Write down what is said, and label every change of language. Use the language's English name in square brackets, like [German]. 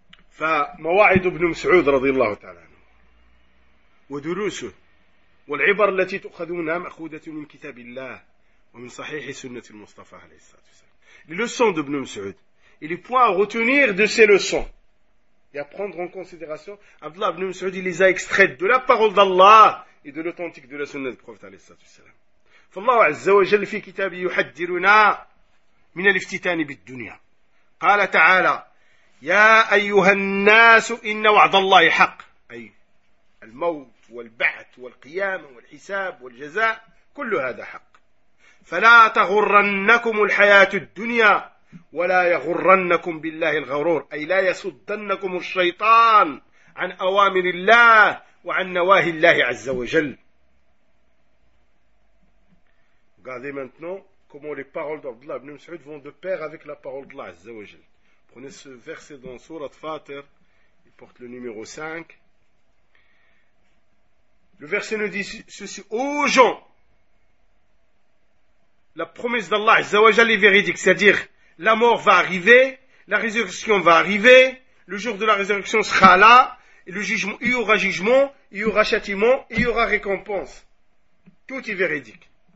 [Arabic] فمواعيد ابن مسعود رضي الله تعالى عنه ودروسه والعبر التي تؤخذ منها مأخوذة من كتاب الله ومن صحيح سنة المصطفى عليه الصلاة والسلام. [French] Les leçons d'Ibn Mas'ud et les points à retenir de ces leçons et à prendre en considération, Abdullah ibn Mas'ud les a extraits de la parole d'Allah et de l'authentique de la sunna du prophète عليه الصلاة والسلام. [Arabic] فالله عز وجل في كتابه يحذرنا من الافتتان بالدنيا. قال تعالى: يا أيها الناس إن وعد الله حق، أي الموت والبعث والقيامة والحساب والجزاء، كل هذا حق. فلا تغرنكم الحياة الدنيا ولا يغرنكم بالله الغرور، أي لا يصدنكم الشيطان عن أوامر الله وعن نواهي الله عز وجل. [French] Regardez maintenant comment les paroles d'Abdullah ibn Mas'ud vont de pair avec la parole d'Allah عز وجل. Prenez ce verset dans Surat Fatir, il porte le numéro 5. Le verset nous dit ceci: ô gens, la promesse d'Allah Azza wa Jalla est véridique, c'est-à-dire la mort va arriver, la résurrection va arriver, le jour de la résurrection sera là, et le jugement, il y aura jugement, il y aura châtiment, il y aura récompense. Tout est véridique.